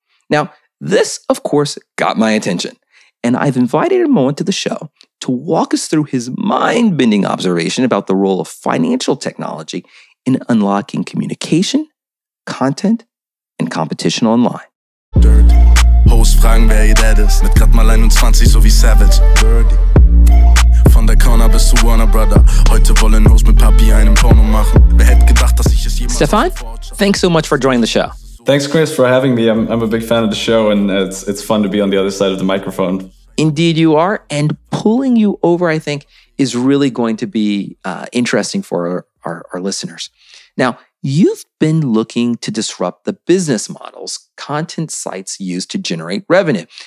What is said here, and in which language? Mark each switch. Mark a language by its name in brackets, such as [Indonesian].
[English] Now, this, of course, got my attention, and I've invited him on to the show to walk us through his mind-bending observation about the role of financial technology in unlocking communication, content, and competition online. Dirty. [German] Host fragen, wer ihr Dad ist. Mit gerade mal 21, so wie Savage. Dirty. Von der Corner bis zu Warner Brother. Heute wollen Host mit Papi einen Porno machen. Wer hätte gedacht, dass ich es jemals... [English] Stefan, thanks so much for joining the show. Thanks, Chris, for having me. I'm a big fan of the show, and it's fun to be on the other side of the microphone. Indeed you are, and pulling you over, I think, is really going to be interesting for our listeners. Now, you've been looking to disrupt the business models content sites use to generate revenue.